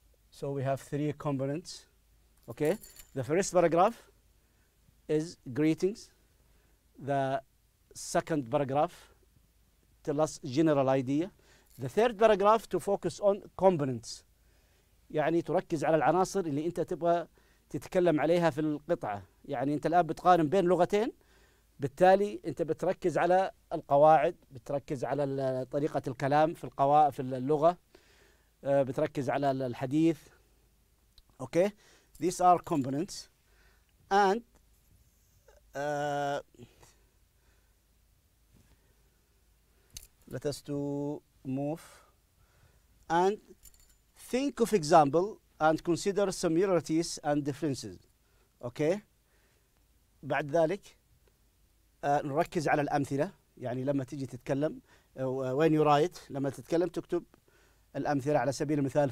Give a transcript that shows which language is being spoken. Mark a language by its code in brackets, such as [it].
[en] So we have three components. Okay, the first paragraph is greetings. The second paragraph tell us general idea. The third paragraph to focus on components. [ar] يعني تركز على العناصر اللي انت تبغى تتكلم عليها في القطعة. يعني انت الآن بتقارن بين لغتين. بالتالي انت بتركز على القواعد. بتركز على طريقة الكلام في اللغة. بتركز على الحديث. Okay. [en] These are components. And let us to move and think of example and consider similarities and differences. Okay. [ar] بعد ذلك نركز على الأمثلة. يعني لما تيجي تتكلم [en] when you write, [ar] لما تتكلم تكتب الأمثلة على سبيل المثال.